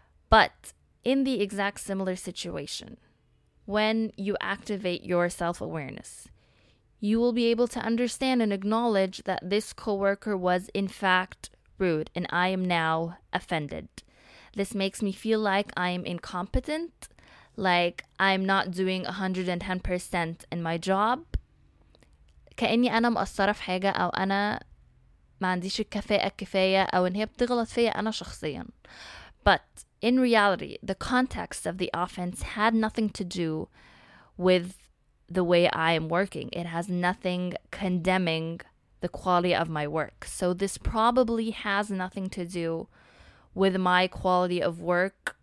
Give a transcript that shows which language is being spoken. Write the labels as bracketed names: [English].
[English] But in the exact similar situation, when you activate your self-awareness, you will be able to understand and acknowledge that this coworker was in fact rude and I am now offended. This makes me feel like I am incompetent, like I'm not doing 110% in my job. [Arabic] كأني أنا مقصرة في حاجة أو أنا ما عنديش الكفاءة الكفاية أو إن هي بتغلط فيا أنا شخصيا. [English] But in reality, the context of the offense had nothing to do with the way I am working. It has nothing condemning the quality of my work. So this probably has nothing to do with my quality of work.